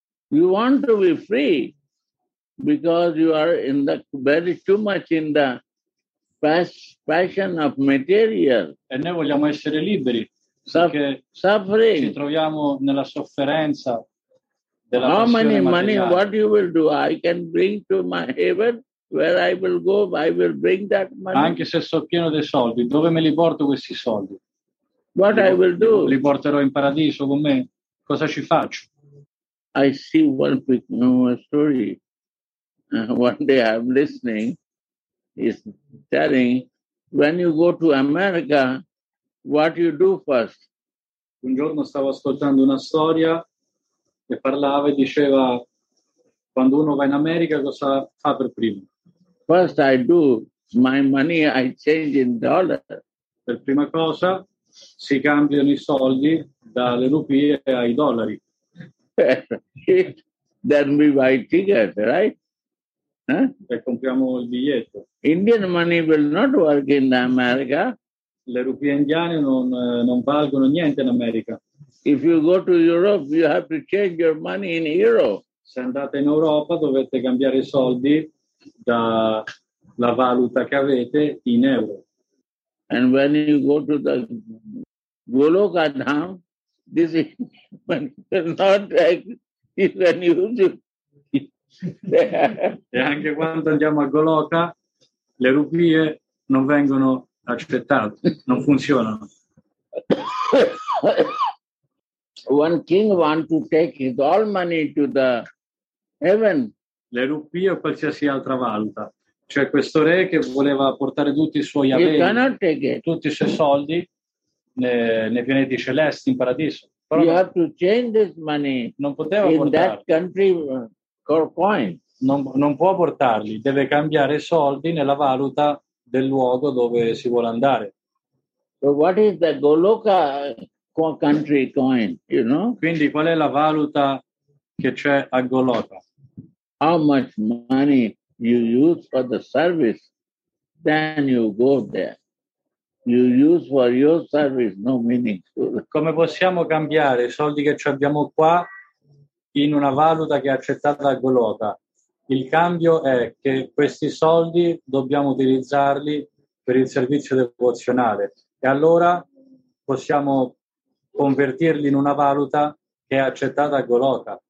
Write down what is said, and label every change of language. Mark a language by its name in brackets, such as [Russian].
[English] You want to be free because you are in the very too much in the passion of material. [Italian] E noi vogliamo essere liberi. [English] Suffering. [Italian] Ci troviamo nella sofferenza. [English] How many money, what you will do? I can bring to my heaven where I will go, I will bring that money. [Italian] Anche se sono pieno dei soldi, dove me li porto questi soldi? [English] What I will do? [Italian] Li porterò in paradiso con me? Cosa ci faccio? [English] I see one quick story. One day I'm listening, he's telling, when you go to America, what you do first? [Italian] Un giorno stavo ascoltando una storia. E parlava e diceva quando uno va in America cosa fa per primo? [English] First I do my money I change in dollar. [Italian] Per prima cosa si cambiano i soldi dalle rupie ai dollari. [English] Then we buy ticket, right? [Italian] E compriamo il biglietto. [English] Indian money will not work in America. [Italian] Le rupie indiane non valgono niente in America. [English] If you go to Europe, you have to change your money in euro. [Italian] Se andate in Europa, dovete cambiare i soldi dalla valuta che avete in euro. [English] And when you go to the Goloka Dham, this is not like when you do. [Italian] E anche quando andiamo a Goloka, le rupie non vengono accettate, non funzionano. [English] One king want to take his all money to the heaven. [Italian] Le rupie o qualsiasi altra valuta. Cioè questo re che voleva portare tutti i suoi averi, tutti i suoi soldi nei pianeti celesti, in paradiso. [English] Però you have to change this money. [Italian] Non poteva in portarli. [English] That country core coin. [Italian] Non può portarli. Deve cambiare i soldi nella valuta del luogo dove si vuole andare. [English] So what is the Goloka country coin, you know? [Italian] Quindi qual è la valuta che c'è a Goloka? [English] How much money you use for the service, then you go there. You use for your service, no meaning. [Italian] Come possiamo cambiare i soldi che ci abbiamo qua in una valuta che è accettata a Goloka? Il cambio è che questi soldi dobbiamo utilizzarli per il servizio devozionale. E allora possiamo convertirli in una valuta che è accettata a Goloka.